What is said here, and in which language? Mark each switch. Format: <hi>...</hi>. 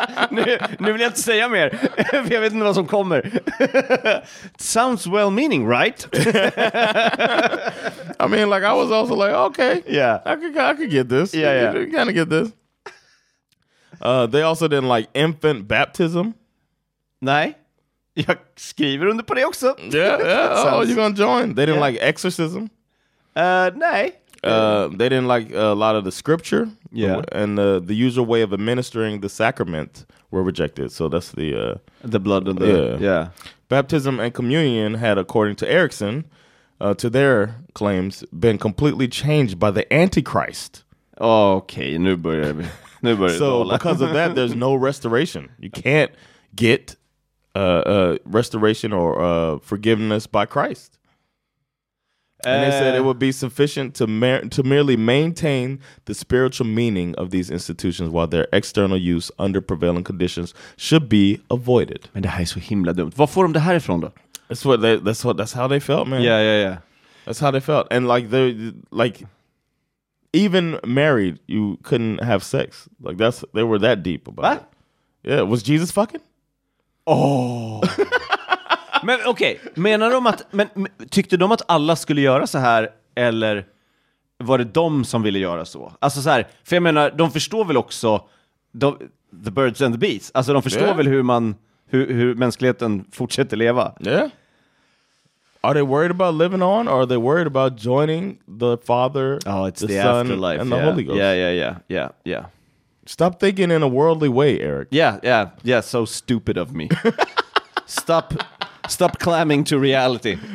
<sv>nu vill jag inte säga mer. För jag vet inte vad som kommer.</sv> <en>Sounds well-meaning, right? I mean, like, I was also like, okay. Yeah. I could get this. Yeah. You kind of get this. They also didn't like infant baptism.</en> <sv>Nej. Jag skriver under på det också.</sv> <en>Yeah. Oh, you're gonna join. They didn't like exorcism.</en> <sv>Nej.</sv> <en>They didn't like a lot of the scripture. Yeah. And the usual way of administering the sacrament were rejected. So that's the blood and the... Yeah. Baptism and communion had, according to Erickson, to their claims, been completely changed by the Antichrist.</en> <sv>Okay, nu börjar vi. Nu börjar</sv> <en>so because of that, there's no restoration. You can't get... restoration or forgiveness by Christ. And they said it would be sufficient to merely maintain the spiritual meaning of these institutions while their external use under prevailing conditions should be avoided.</en> <sv>Men det här är så himla dumt. Var får de det här ifrån då?</sv> <en>That's how they felt, man. Yeah. That's how they felt. And like they like even married, you couldn't have sex. Like that's they were that deep about what? It. Yeah, was Jesus fucking? Oh.</en> <sv>Men okej, menar de att tyckte de att alla skulle göra så här eller var det de som ville göra så? Alltså så här, för jag menar de förstår väl också</sv> <en>the birds and the bees.</en> <sv>Alltså de förstår väl hur mänskligheten fortsätter leva.</sv> <en>Yeah. Are they worried about living on or are they worried about joining the Father, oh, it's the Son afterlife, and the Holy Ghost? Yeah. Stop thinking in a worldly way, Eric. Yeah, so stupid of me. Stop clamming to reality.</en>